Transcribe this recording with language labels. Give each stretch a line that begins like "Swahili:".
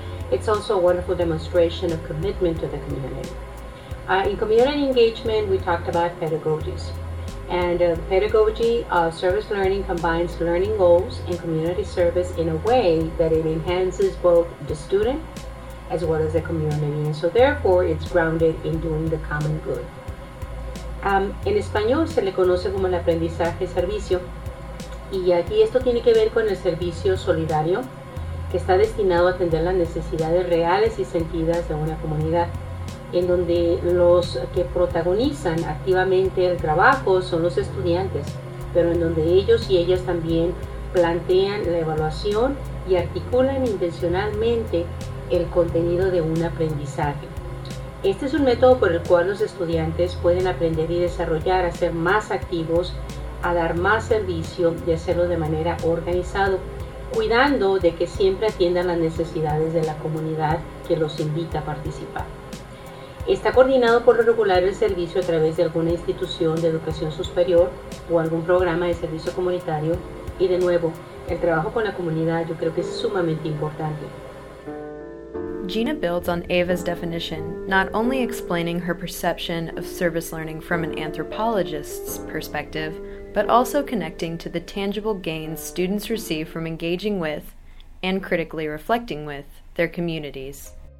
English: It's also a wonderful demonstration of commitment to the community. In community engagement, we talked about pedagogies. And the pedagogy of service learning combines learning goals and community service in a way that it enhances both the student as well as the community. And so therefore, it's grounded in doing the common good.
Spanish: En español se le conoce como el aprendizaje servicio. Y aquí esto tiene que ver con el servicio solidario, que está destinado a atender las necesidades reales y sentidas de una comunidad, en donde los que protagonizan activamente el trabajo son los estudiantes, pero en donde ellos y ellas también plantean la evaluación y articulan intencionalmente el contenido de un aprendizaje. Este es un método por el cual los estudiantes pueden aprender y desarrollar, a ser más activos, a dar más servicio y hacerlo de manera organizada, cuidando de que siempre atiendan las necesidades de la comunidad que los invita a participar. Está coordinado por lo regular el servicio a través de alguna institución de educación superior o algún programa de servicio comunitario. Y de nuevo, el trabajo con la comunidad yo creo que es sumamente importante.
English: Gina builds on Eva's definition, not only explaining her perception of service learning from an anthropologist's perspective, but also connecting to the tangible gains students receive from engaging with, and critically reflecting with, their communities.